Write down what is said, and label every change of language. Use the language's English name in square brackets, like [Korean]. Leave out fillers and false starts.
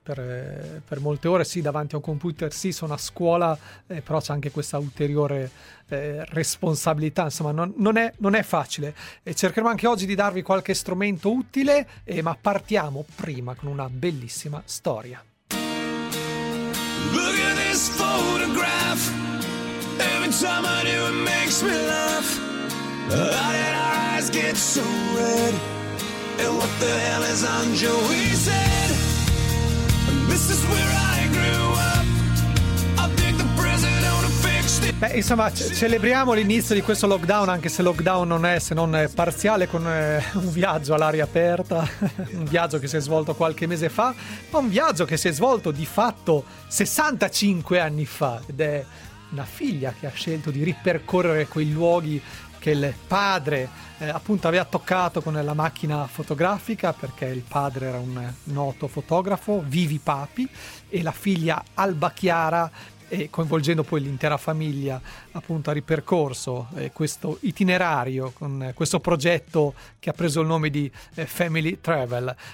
[Italian] per molte ore, sì, davanti a un computer, sì, sono a scuola, però c'è anche questa ulteriore responsabilità. Insomma, non è facile. E cercheremo anche oggi di darvi qualche strumento utile, ma partiamo prima con una bellissima storia. [English] Look at this photograph. Every time I do it makes me laugh. Why did our eyes get so red? And what the hell is on Joey's head? This is where I grew up. I'll dig the prison on a fixed. [Italian] Beh, insomma, celebriamo l'inizio di questo lockdown, anche se lockdown non è se non è parziale, con un viaggio all'aria aperta, un viaggio che si è svolto qualche mese fa, ma un viaggio che si è svolto di fatto 65 anni fa. Ed è una figlia che ha scelto di ripercorrere quei luoghi che il padre appunto aveva toccato con la macchina fotografica, perché il padre era un noto fotografo, Vivi Papi, e la figlia Alba Chiara, coinvolgendo poi l'intera famiglia, appunto ha ripercorso questo itinerario con questo progetto che ha preso il nome di Family Travel.